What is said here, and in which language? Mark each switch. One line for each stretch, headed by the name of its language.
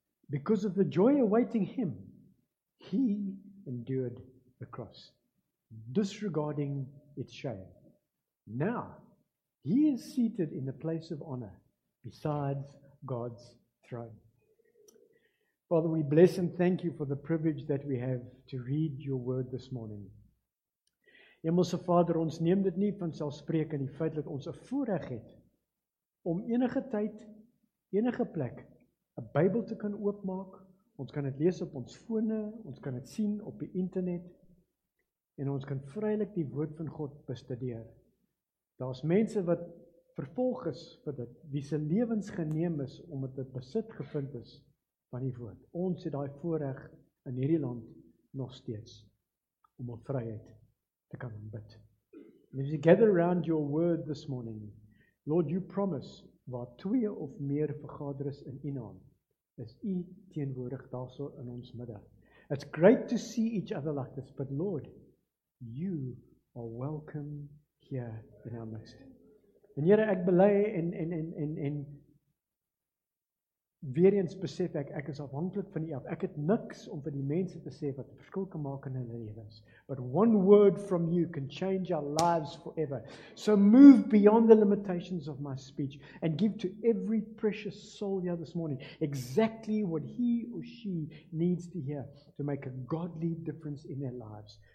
English: Because of the joy awaiting him, he endured the cross, disregarding its shame. Now, he is seated in the place of honor beside God's throne. Father, we bless and thank you for the privilege that we have to read your word this morning.
Afrikaans: Hemelse Vader, ons neem dit nie vanselfspreek in die feit dat ons 'n voorreg het om enige tyd, enige plek, 'n Bybel te kan oopmaak. Ons kan dit lees op ons fone, ons kan dit sien op die internet, en ons kan vrylik die woord van God bestudeer. Daar is mense wat vervolg is vir dit, wie se lewens geneem is omdat dit besit gevind is van die woord. Ons het daai voorreg in hierdie land nog steeds om op vryheid te kan bid.
English: And as you gather around your word this morning, Lord, you promise
Afrikaans: waar twee of meer vergader is in u naam, is u teenwoordig daarso in ons midde.
English: It's great to see each other like this, but Lord, you are welcome here in our midst.
Afrikaans: En Here, ek belei en weer eens besef ek is afhanklik van u. Ek het niks om vir die mense te sê wat verskil kan maak in hulle lewens.
English: But one word from you can change our lives forever. So move beyond the limitations of my speech and give to every precious soul here this morning exactly what he or she needs to hear to make a godly difference in their lives.